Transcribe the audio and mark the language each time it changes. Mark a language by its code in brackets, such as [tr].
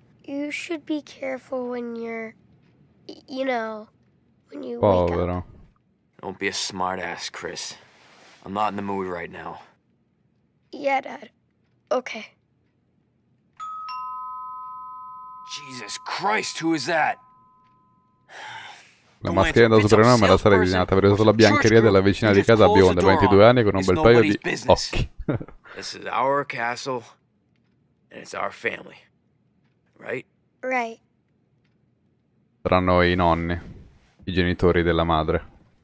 [en] You should be careful when you're, you know, when you wake up. Don't be a smartass, Chris. I'm not in the mood right now. Yeah, Dad. Okay. Jesus Christ, who is that? [it] La maschera da supernome la sarei disegnata. Avrei usato la biancheria della vicina di casa bionda, 22 anni, con un bel paio di occhi. [en] This is our castle, and it's our family. Right? Right. [it] Saranno i nonni, i genitori della madre.